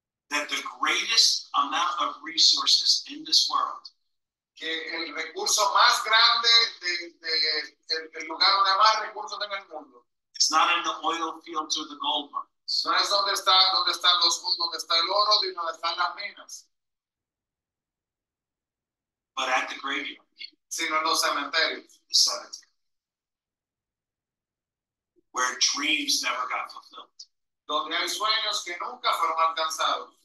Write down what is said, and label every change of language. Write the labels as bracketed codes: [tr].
[en] That the greatest amount of resources in this world. [es] Que el recurso más grande del lugar donde más recursos en el mundo. [en] It's not in the oil fields or the gold mines. [es] No es donde están los donde está el oro y donde están las minas. [en] But at the graveyard. [es] Sino en los cementerios. [en] The cemetery. Where dreams never got fulfilled. [es] Donde hay sueños que nunca fueron alcanzados.